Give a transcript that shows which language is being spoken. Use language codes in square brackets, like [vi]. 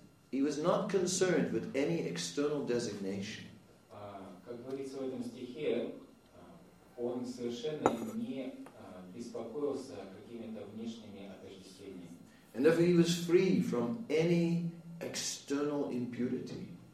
[en] He was not concerned with any external designation. [ru] Как говорится в этом стихе, он совершенно не беспокоился какими-то внешними отождествлениями. [en] And therefore he was free from any external impurity.